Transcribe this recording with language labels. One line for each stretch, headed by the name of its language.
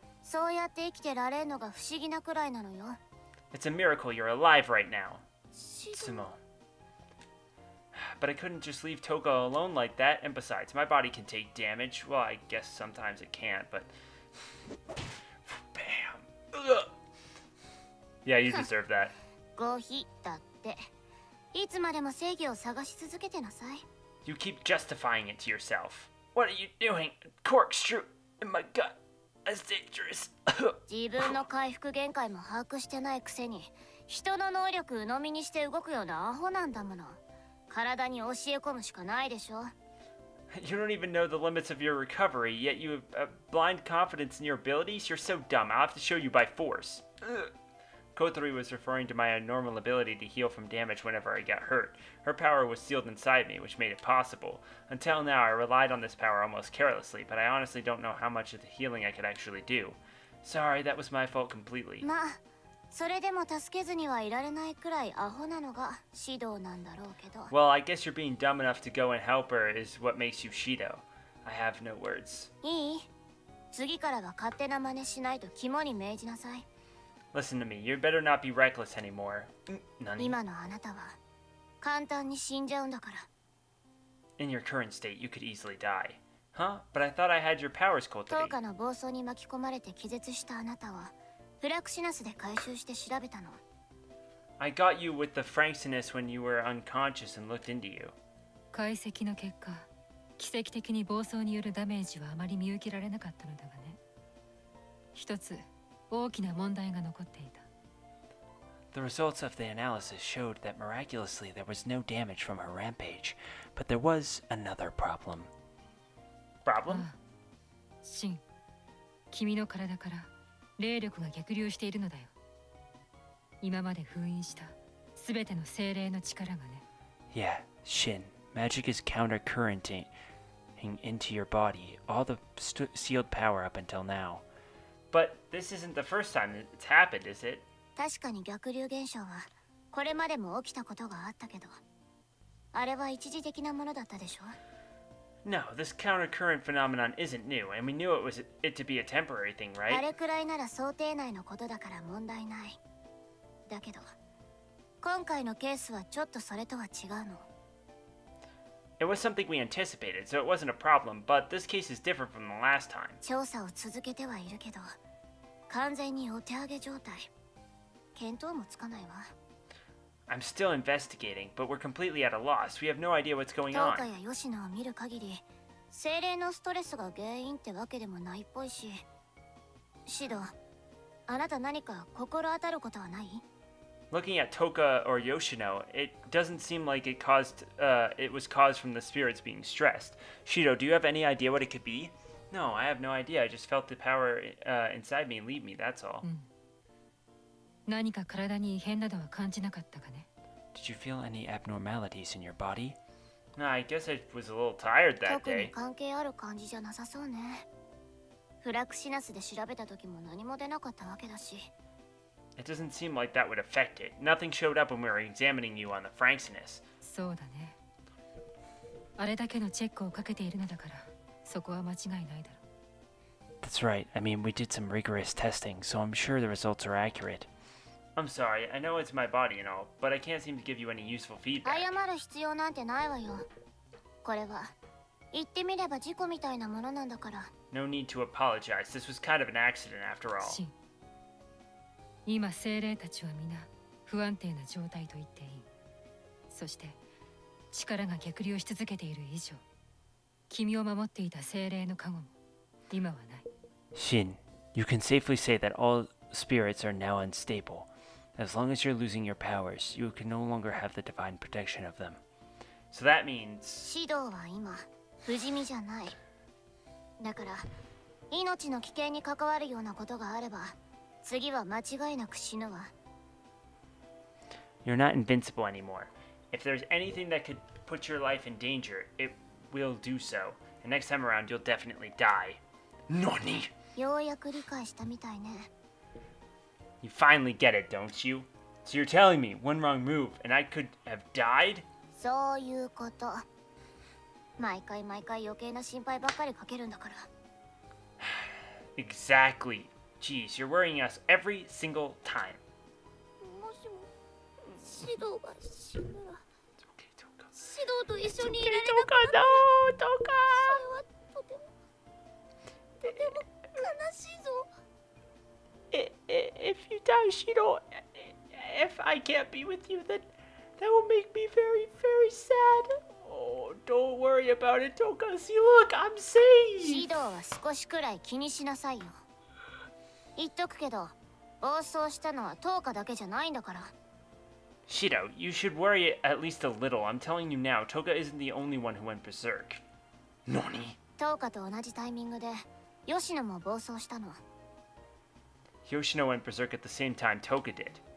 Japanese: そうやって生きてられるのが不思議なくらいなのよ。
English: It's a miracle you're alive right now, Tsumo. But I couldn't just leave Toka alone like that, and besides, my body can take damage. Well, I guess sometimes it can't, but... Bam! Ugh. Yeah, you deserve that.
Japanese: Gohi, datte. Itsumademo seigi o sagashi suzukete nasai.
English: You keep justifying it to yourself. What are you doing? Corkscrew in my gut. That's dangerous.
Japanese: 自分の回復限界も把握してないくせに人の能力鵜呑みにして動くようなアホなんだもの体に教え込むしかないでしょ
English: You don't even know the limits of your recovery, yet you have a blind confidence in your abilities? You're so dumb, I'll have to show you by force. Kotori was referring to my abnormal ability to heal from damage whenever I got hurt. Her power was sealed inside me, which made it possible. Until now, I relied on this power almost carelessly, but I honestly don't know how much of the healing I could actually do. Sorry, that was my fault completely.
Japanese: まあ、それでも助けずにはいられないくらいアホなのがシドなんだろうけど。
English: Well, I guess you're being dumb enough to go and help her is what makes you Shido. I have no words.
Japanese: いい。次からは勝手な真似しないと肝に銘じなさい。
English: Listen to me, you better not be reckless anymore.
Japanese: Nani? 今のあなたは簡単に死んじゃうんだから。
English: In your current state, you could easily die. Huh? But I thought I had your powers, Kotori.
Japanese: トーカの暴走に巻き込まれて気絶したあなたは、フラクシナスで回収して調べたの。
English: I got you with the Franksiness when you were unconscious and looked into you.
Japanese: 解析の結果、奇跡的に暴走によるダメージはあまり見受けられなかったのだがね。一つ。大きな問題が残っていた。
English: The results of the analysis showed that miraculously there was no damage from her rampage, but there was another problem. Problem?
Japanese: シン、君の体から霊力が逆流しているのだよ。今まで封印したすべての精霊の力がね。
English: Yeah, Shin, magic is countercurrenting into your body, all the sealed power up until now. But this isn't the first time it's happened, is it?
Japanese: 確かに逆流現象はこれまでも起きたことがあったけど、あれは一時的なものだったでしょ
English: No, this countercurrent phenomenon isn't new, and we knew it to be a temporary thing, right?
Japanese: あれくらいなら想定内のことだから問題ない。だけど、今回のケースはちょっとそれとは違うの。
English: It was something we anticipated, so it wasn't a problem, but this case is different from the last time.
Japanese: 調査を続けてはいるけど、完全にお手上げ状態。見当もつかないわ。
English: I'm still investigating, but we're completely at a loss. We have no idea what's going on.
Japanese: 東海や吉野を見る限り、精霊のストレスが原因ってわけでもないっぽいし。シド、あなた何か心当たることはない？
English: Looking at Toka or Yoshino, it doesn't seem like it was caused from the spirits being stressed. Shido, do you have any idea what it could be? No, I have no idea. I just felt the power inside me leave me, that's all.
Japanese: 何か体に異変などは感じなかったかね?
English: Did you feel any abnormalities in your body? I guess I was a little tired that day.
Japanese: 特に関係ある感じじゃなさそうね。フラクシナスで調べた時も何も出なかったわけだし。
English: It doesn't seem like that would affect it. Nothing showed up when we were examining you on the Franksiness.
Japanese: そうだね。あれだけのチェックをかけているのだから、そこは間違いないだろう。
English: That's right. I mean, we did some rigorous testing, so I'm sure the results are accurate. I'm sorry. I know it's my body and all, but I can't seem to give you any useful feedback.
Japanese: 謝る必要なんてないわよ。これは、言ってみれば事故みたいなものなんだから。
English: No need to apologize. This was kind of an accident after all.
Japanese: 今精霊たちは皆不安定な状態と言っていい。そして力が逆流し続けている以上、君を守っていた精霊の加護も今はない。
English: Shin, you can safely say that all spirits are now unstable. As long as you're losing your powers, you can no longer have the divine protection of them. So that means.
Japanese: シドは今不死身じゃない。だから命の危険に関わるようなことがあれば。次は間違いなく死ぬわ。
English: You're not invincible anymore. If there's anything that could put your life in danger, it will do so. And next time around, you'll definitely die.
Japanese: Nani? ようやく理解したみたいね。
English: You finally get it, don't you? So you're telling me one wrong move and I could have died?
Japanese: そういうこと。毎回毎回余計な心配ばかりかけるんだから。
English: Exactly. Jeez, you're worrying us every single time. It's okay, Toka. It's okay, Toka. No, Toka! If you die, Shido, if I can't be with you, then that will make me very, very sad. Oh, don't worry about it, Toka. See, look, I'm safe!
Japanese: Shido, 言っとくけど、暴走したのはトーカだけじゃないんだから。
English: Shido, you should worry at least a little. I'm telling you now, Toka isn't the only one who went berserk.
Japanese: Nani? トーカと同じタイミングで、ヨシノも暴走したの。
English: Yoshino went berserk at the same time Toka did.